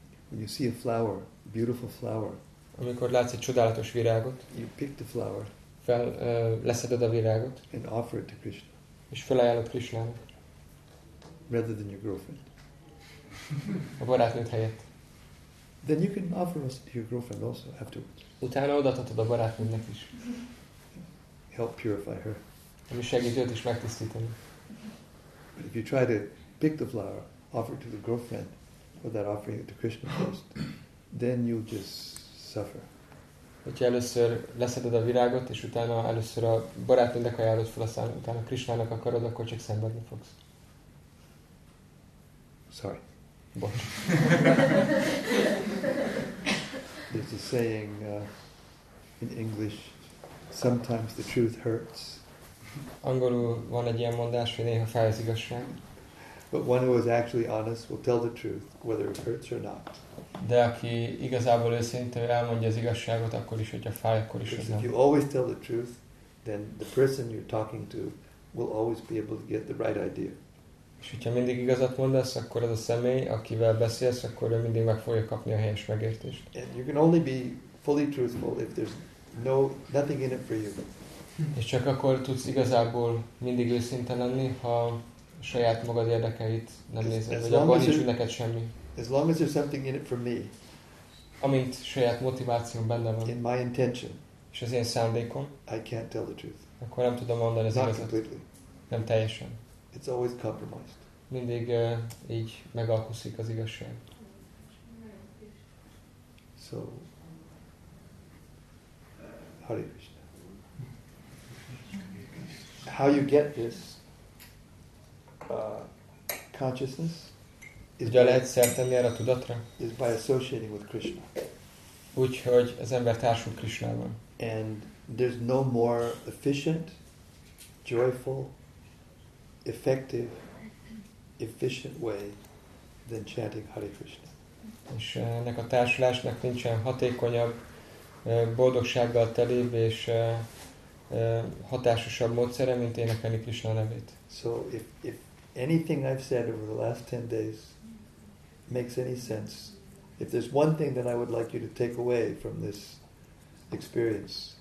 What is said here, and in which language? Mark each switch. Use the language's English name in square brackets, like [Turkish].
[English] When you see a flower, a beautiful flower, [Hungarian] amikor látsz egy csodálatos virágot, [English] you pick the flower, [Hungarian] leszeded a virágot, [English] and offer it to Krishna, [Hungarian] és felajánlod Krishnának, [English] rather than your girlfriend, [Hungarian] a barátnőt helyett. [English] Then you can offer us to your girlfriend also afterwards. [Hungarian] Utána odaadhatod a barátnődnek is. [English] Help purify her. [Hungarian] Ami segít őt is megtisztítani. [English] But if you try to pick the flower, offer it to the girlfriend, without offering it to Krishna first, then you just suffer. [Hungarian] Hogyha először leszeded a virágot, és utána először a barátnődnek ajánlod fel, aztán utána Krishnának akarod, akkor csak szenvedni fogsz. [English] Sorry. [Hungarian] Bocs. [English] There's a saying in English, sometimes the truth hurts. [Hungarian] Angolul van egy ilyen mondás, hogy néha fáj az igazság. [English] But one who is actually honest will tell the truth, whether it hurts or not. [Hungarian] De aki igazából őszinte, elmondja az igazságot, akkor is, hogyha fáj, akkor is. [English] Because if you always tell the truth, then the person you're talking to will always be able to get the right idea. [Hungarian] És hogyha mindig igazat mondasz, akkor az a személy, akivel beszélsz, akkor ő mindig meg fogja kapni a helyes megértést. [English] And you can only be fully truthful if there's nothing in it for you. [Hungarian] És csak akkor tudsz igazából mindig őszinte lenni, ha saját magad érdekeit nem nézed, vagy abban nincs neked semmi. [English] As long as there's something in it for me. [Hungarian] Amint saját motivációm benne van. [English] In my intention. [Hungarian] És az én szándékom. [English] I can't tell the truth. [Hungarian] Akkor nem tudom mondani az igazat. [English] Not completely. [Hungarian] Nem teljesen. [English] It's always compromised. [Hungarian] Mindig így megalkuszik az igazság. [English] So, Hare Krishna. How you get this consciousness is by, [Hungarian] lehet szertenni erre a tudatra? [English] Is by associating with Krishna. [Hungarian] Úgyhogy az ember társul Krishnával. [English] And there's no more efficient, joyful, effective, efficient way than chanting Hare Krishna. [Hungarian] És ennek a társulásnak nincsen hatékonyabb, boldogsággal telibb és hatásosabb módszere, mint énekelni Krishna nevét. [English] So if anything I've said over the last 10 days makes any sense, if there's one thing that I would like you to take away from this experience,